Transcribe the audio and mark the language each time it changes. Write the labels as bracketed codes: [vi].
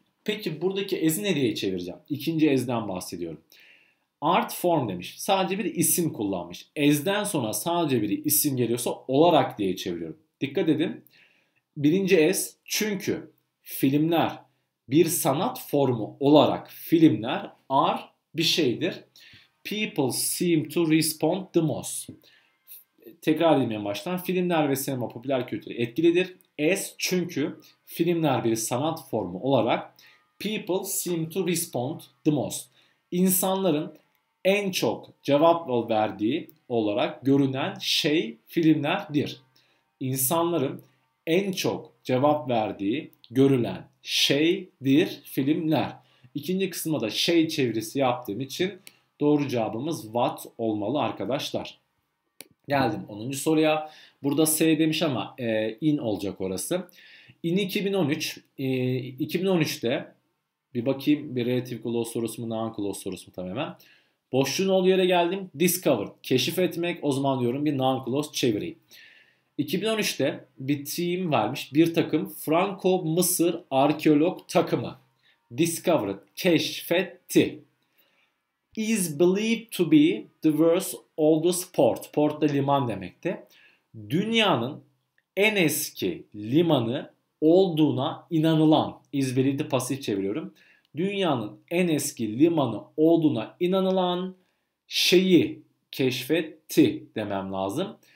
[tr] Peki buradaki as'i ne diye çevireceğim? İkinci as'den bahsediyorum. Art form demiş. Sadece bir isim kullanmış. As'den sonra sadece bir isim geliyorsa olarak diye çeviriyorum. Dikkat edin. Birinci as çünkü filmler bir sanat formu olarak filmler are bir şeydir. [en] People seem to respond the most. [tr] Tekrar edeyim en baştan. Filmler ve sinema popüler kültürü etkilidir. As çünkü filmler bir sanat formu olarak [en] people seem to respond the most. [tr] İnsanların en çok cevap verdiği olarak görünen şey filmlerdir. İnsanların en çok cevap verdiği görülen şeydir filmler. İkinci kısmı da şey çevirisi yaptığım için doğru cevabımız what olmalı arkadaşlar. Geldim 10. soruya. Burada S demiş ama in olacak orası. In 2013. 2013'te bir bakayım bir relative clause sorusu mu noun clause sorusu mu tam hemen. Boşluğun olduğu yere geldim. Discover, keşif etmek. O zaman diyorum bir noun clause çevireyim. 2013'te bir team varmış. Bir takım Franco-Mısır arkeolog takımı. Discovered, keşfetti. [en] Is believed to be the world's oldest port. [tr] Port da liman demekti. Dünyanın en eski limanı olduğuna inanılan. Is believed pasif çeviriyorum. Dünyanın en eski limanı olduğuna inanılan şeyi keşfetti demem lazım.